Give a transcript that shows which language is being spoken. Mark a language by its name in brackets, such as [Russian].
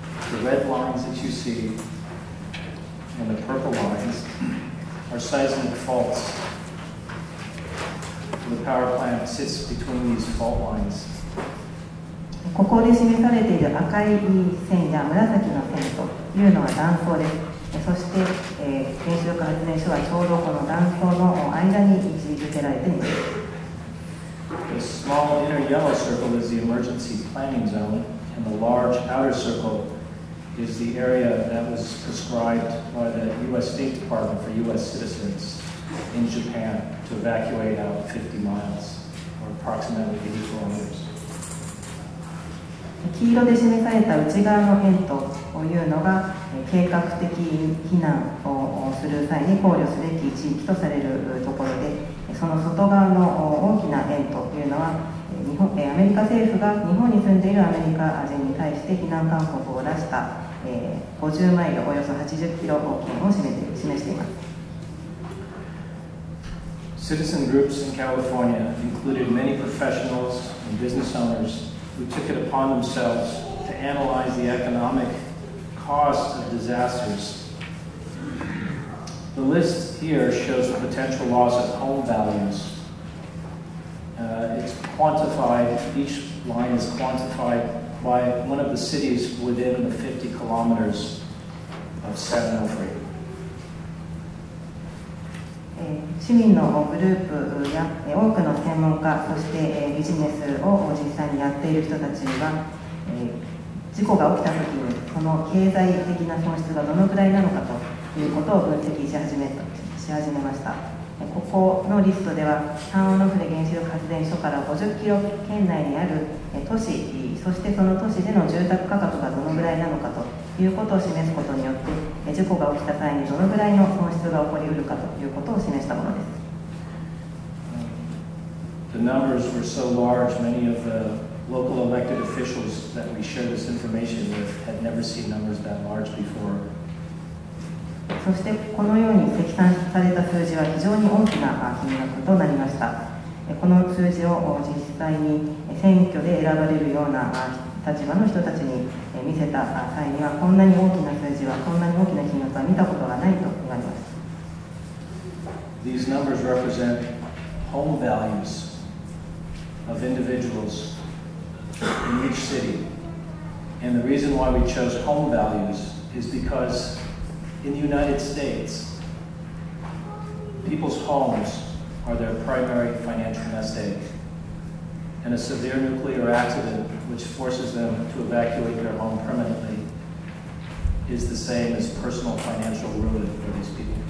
[English] The red lines that you seeAnd the purple lines are seismic faults. The power plant sits between these fault lines. [Japanese] ここで示されている赤い線や紫の線というのは断層です。そして、原子力発電所はちょうどこの断層の間に位置づけられています。 [English] The small inner yellow circle is the emergency planning zone, and the large outer circleis the area that was prescribed by the U.S. State Department for U.S. citizens in Japan to evacuate out 50 miles, or approximately 80 kilometers. [Japanese] 黄色で示された内側の辺というのが計画的避難をする際に考慮すべき地域とされるところで、その外側の大きな辺というのは、アメリカ政府が日本に住んでいるアメリカ人に対して避難勧告を出した50マイル、およそ80キロ方向を示しています。 [English] Citizen groups in California included many professionals and business owners who took it upon themselves to analyze the economic cost of disasters. The list here shows the potential loss of home values. It's quantified, each line is quantifiedby one of the cities within the 50 kilometers of San Onofre. [Japanese] 市民のグループや多くの専門家、そしてビジネスを実際にやっている人たちは、事故が起きたときにこの経済的な損失がどのくらいなのかということを分析し始めました。ここのリストでは、サンオノフレ原子力発電所から50キロ圏内にある都市、そしてその都市での住宅価格がどのぐらいなのかということを示すことによって、事故が起きた際にどのぐらいの損失が起こりうるかということを示したものです。 [English] The numbers were so large, many of the local elected officials that we shared this information with had never seen numbers that large before. [Japanese] そしてこのように積算された数字は非常に大きな金額となりました。この数字を実際に選挙で選ばれるような立場の人たちに見せた際には、こんなに大きな数字は、こんなに大きな金額は見たことがないと言われます。 [English] These numbers represent home values of individuals in each city. And the reason why we chose home values is becauseIn the United States, people's homes are their primary financial nest egg, and a severe nuclear accident which forces them to evacuate their home permanently is the same as personal financial ruin for these people.